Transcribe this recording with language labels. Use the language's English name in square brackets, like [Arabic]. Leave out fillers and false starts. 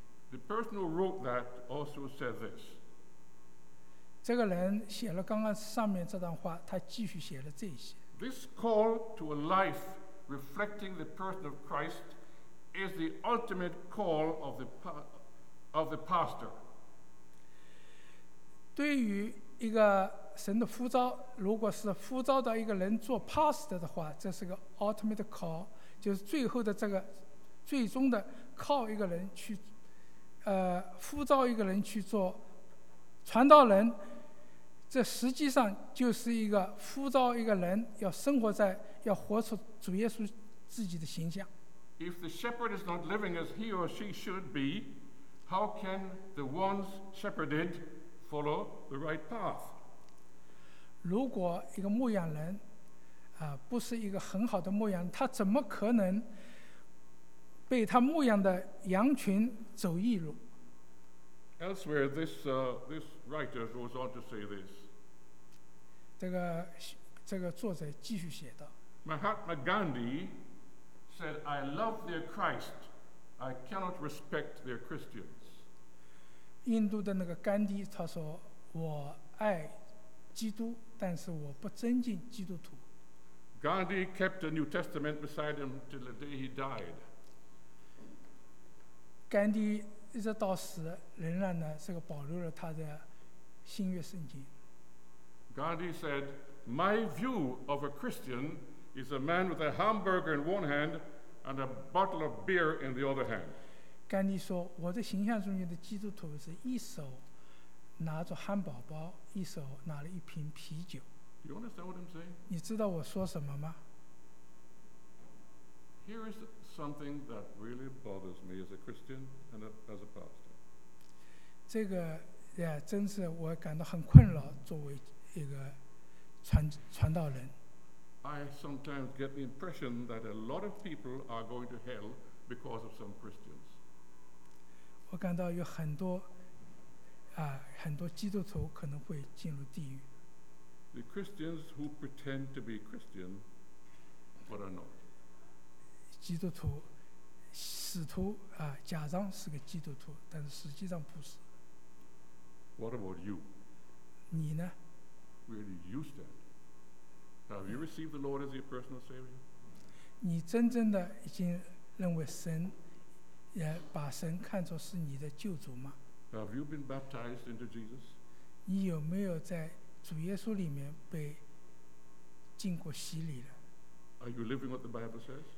[English] The person who wrote that also said this. [Chinese] 这个人写了刚刚上面这段话，他继续写了这些。 [English] This call to a life reflecting the person of Christ. Is the ultimate call of the pastor. [Chinese] 对于一个神的呼召，如果是呼召到一个人做 pastor 的话，这是个 [English] ultimate call， [Chinese] 就是最后的这个最终的靠一个人去，呼召一个人去做传道人，这实际上就是一个呼召一个人要生活在要活出主耶稣自己的形象。 [English] If the shepherd is not living as he or she should be, how can the ones shepherded follow the right path? [Chinese] 如果一个牧羊人，不是一个很好的牧羊，他怎么可能被他牧羊的羊群走义路？ [English] Elsewhere, this writer goes on to say this. [Chinese] 这个作者继续写道。 [English] Mahatma Gandhi. Said, I love their Christ. I cannot respect their Christians. [Chinese] 印度的那个甘地他说，我爱基督，但是我不尊敬基督徒。 [English] Gandhi kept a New Testament beside him till the day he died. [Chinese] 甘地一直到死，仍然呢是个保留了他的新约圣经。 [English] Gandhi said, My view of a Christian. Is a man with a hamburger in one hand and a bottle of beer in the other hand. [Chinese] 甘地说，我的形象中间的基督徒是一手拿着汉堡包，一手拿了一瓶啤酒。 [English] Do you understand what I'm saying? [Chinese] 你知道我说什么吗？ [English] Here is something that really bothers me as a Christian and as a pastor. [Chinese] 这个呀，真是我感到很困扰，作为一个传道人。 [English] I sometimes get the impression that a lot of people are going to hell because of some Christians. [Chinese] 我感到有很多，很多基督徒可能会进入地狱。 [English] The Christians who pretend to be Christian, but are not. [Chinese] 基督徒，使徒啊，假装是个基督徒，但是实际上不是。 [English] What about you? [Chinese] 你呢？ [English] Where do you stand? Have you received the Lord as your personal Savior? [Chinese] 你真正的已经认为神，也把神看作是你的救主吗？ [English] Have you been baptized into Jesus? [Chinese] 你有没有在主耶稣里面被浸过洗礼了？ [English] Are you living what the Bible says?